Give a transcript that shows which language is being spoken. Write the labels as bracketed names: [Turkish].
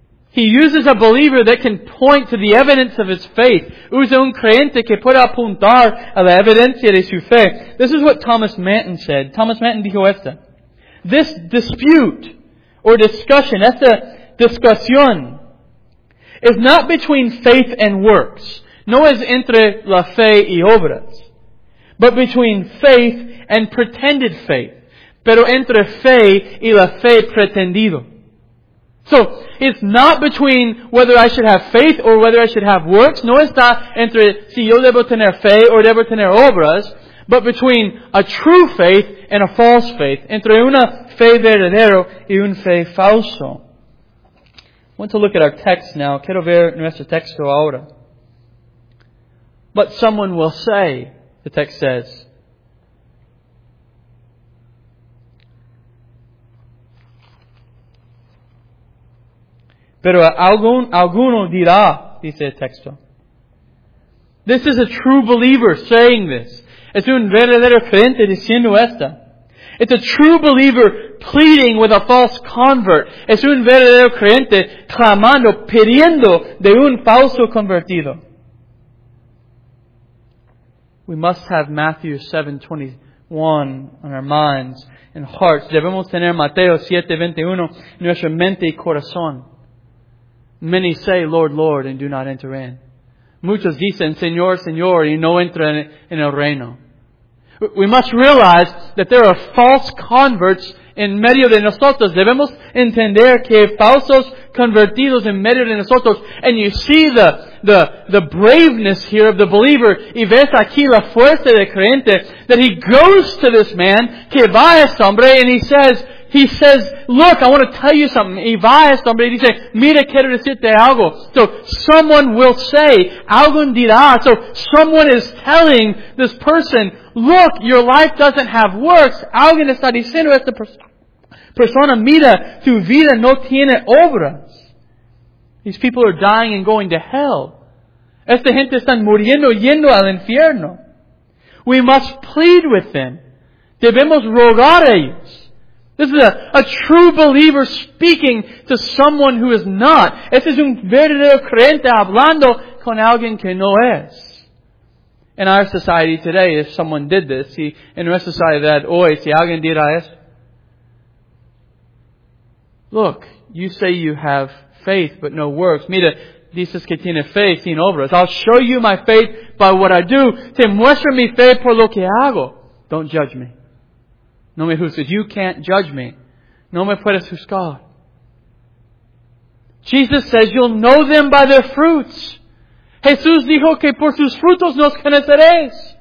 [English] He uses a believer that can point to the evidence of his faith. [Spanish] Usa un creyente que puede apuntar a la evidencia de su fe. [English] This is what Thomas Manton said. [Spanish] Thomas Manton dijo esto. [English] This dispute or discussion, [Spanish] esta discusión, [English] is not between faith and works. [Spanish] No es entre la fe y obras. [English] But between faith and pretended faith. [Spanish] Pero entre fe y la fe pretendido. [English] So, it's not between whether I should have faith or whether I should have works. [Spanish] No está entre si yo debo tener fe o debo tener obras. [English] But between a true faith and a false faith. [Spanish] Entre una fe verdadero y un fe falso. [English] I want to look at our text now. [Spanish] Quiero ver nuestro texto ahora. [English] But someone will say, the text says. [Spanish] Pero alguno dirá, dice el texto. [English] This is a true believer saying this. [Spanish] Es un verdadero creyente diciendo esto. [English] It's a true believer pleading with a false convert. [Spanish] Es un verdadero creyente clamando, pidiendo de un falso convertido. [English] We must have Matthew 7:21 on our minds and hearts. [Spanish] Debemos tener Mateo 7:21 en nuestra mente y corazón. [English] Many say, Lord, Lord, and do not enter in. [Spanish] Muchos dicen, Señor, Señor, y no entran en el reino. [English] We must realize that there are false converts [Spanish] en medio de nosotros. Debemos entender que hay falsos convertidos en medio de nosotros. [English] And you see the braveness here of the believer. [Spanish] Y ves aquí la fuerza del creyente. [English] That he goes to this man, [Spanish] que va a este hombre, [English] and he says, look, I want to tell you something. [Spanish] Y va a este hombre, y dice, mira, quiero decirte algo. [English] So, someone will say, [Spanish] alguien dirá. [English] So, someone is telling this person, look, your life doesn't have works. [Spanish] Alguien está diciendo esta persona, mira, tu vida no tiene obras. [English] These people are dying and going to hell. [Spanish] Esta gente están muriendo yendo al infierno. [English] We must plead with them. [Spanish] Debemos rogar a ellos. [English] This is a true believer speaking to someone who is not. [Spanish] Este es un verdadero creyente hablando con alguien que no es. [English] In our society today, if someone did this, [Spanish] si en nuestra sociedad hoy, si alguien diera eso, [English] look, you say you have faith but no works. [Spanish] Mira, dices que tiene fe sin obras. [English] I'll show you my faith by what I do. [Spanish] Te muestro mi fe por lo que hago. [English] Don't judge me. [Spanish] No me juzgues. [English] You can't judge me. [Spanish] No me puedes juzgar. [English] Jesus says you'll know them by their fruits. [Spanish] Jesús dijo que por sus frutos nos conoceréis.